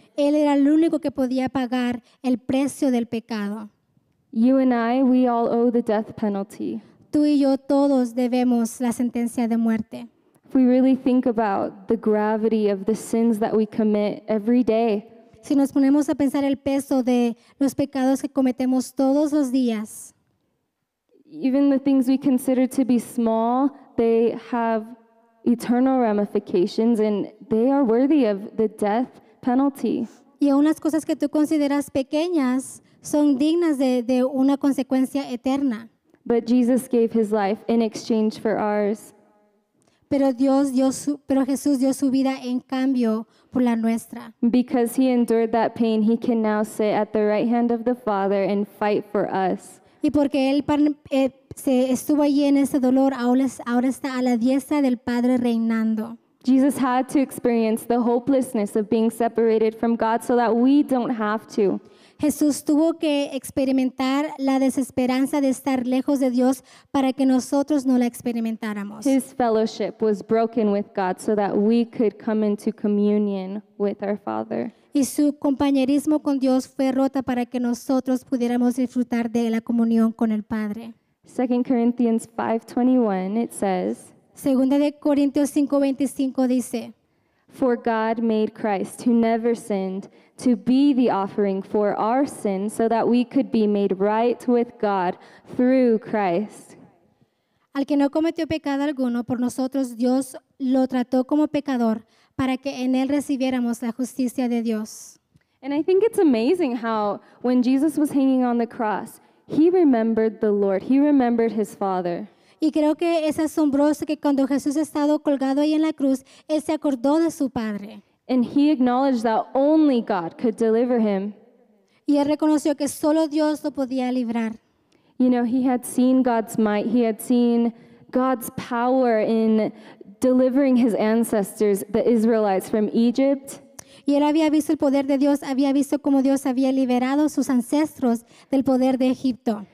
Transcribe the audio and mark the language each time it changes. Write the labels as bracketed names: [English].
[Spanish] Él era el único que podía pagar el precio del pecado. [English] You and I, we all owe the death penalty. [Spanish] Tú y yo todos debemos la sentencia de muerte. [English] If we really think about the gravity of the sins that we commit every day, [Spanish] si nos ponemos a pensar el peso de los pecados que cometemos todos los días, [English] even the things we consider to be small, they have eternal ramifications and they are worthy of the death penalty. [Spanish] Y aun las cosas que tú consideras pequeñas son dignas de una consecuencia eterna. [English] But Jesus gave his life in exchange for ours. [Spanish] Pero Jesús dio su vida en cambio por la nuestra. [English] Because he endured that pain, he can now sit at the right hand of the Father and fight for us. [Spanish] Y porque él se estuvo allí en ese dolor, ahora está a la diestra del Padre reinando. [English] Jesus had to experience the hopelessness of being separated from God so that we don't have to. [Spanish] Jesús tuvo que experimentar la desesperanza de estar lejos de Dios para que nosotros no la experimentáramos. [English] His fellowship was broken with God so that we could come into communion with our Father. [Spanish] Y su compañerismo con Dios fue rota para que nosotros pudiéramos disfrutar de la comunión con el Padre. [English] 2 Corinthians 5:21 it says. [Spanish] Segunda de Corintios 5:25 dice. [English] For God made Christ, who never sinned, to be the offering for our sin, so that we could be made right with God through Christ. [Spanish] Al que no cometió pecado alguno por nosotros, Dios lo trató como pecador para que en él recibiéramos la justicia de Dios. [English] And I think it's amazing how when Jesus was hanging on the cross, he remembered the Lord, he remembered his Father. [Spanish] Y creo que es asombroso que cuando Jesús estaba colgado ahí en la cruz, él se acordó de su Padre. [English] And he acknowledged that only God could deliver him. [Spanish] Y él reconoció que solo Dios lo podía librar. [English] You know, he had seen God's might. He had seen God's power in delivering his ancestors, the Israelites, from Egypt. [Spanish] Y él había visto el poder de Dios, había visto cómo Dios había liberado sus ancestros del poder de Egipto.